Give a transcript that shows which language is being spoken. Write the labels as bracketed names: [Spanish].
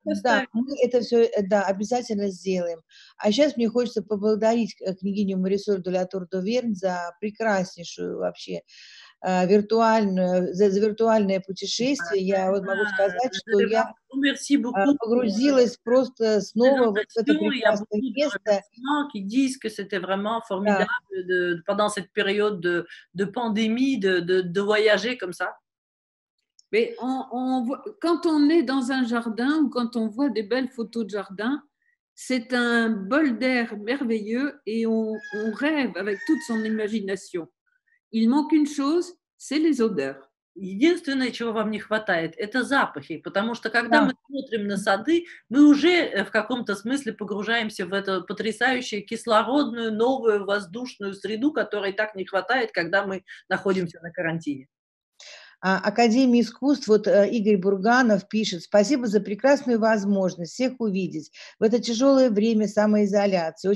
[Russian] Да, мы это все, да, обязательно сделаем. А сейчас мне хочется поблагодарить княгиню Марисоль де ля Тур д'Оверн за прекраснейшую вообще за виртуальное путешествие. Я вот могу сказать, что я погрузилась просто снова в это прекрасное место. [French] Qui disent que c'était vraiment formidable pendant cette période de pandémie de voyager comme ça. Mais on voit, quand on est dans un jardin ou quand on voit des belles photos de jardin, c'est un bol d'air merveilleux et on rêve avec toute son imagination. Il manque une chose, c'est les odeurs. [Russian] Единственное, чего вам не хватает, это запахи, потому что когда мы смотрим на сады, мы уже в каком-то смысле погружаемся в эту потрясающую кислородную, новую, воздушную среду, которой так не хватает, когда мы находимся на карантине. Академия искусств, вот Игорь Бурганов пишет, спасибо за прекрасную возможность всех увидеть в это тяжелое время самоизоляции.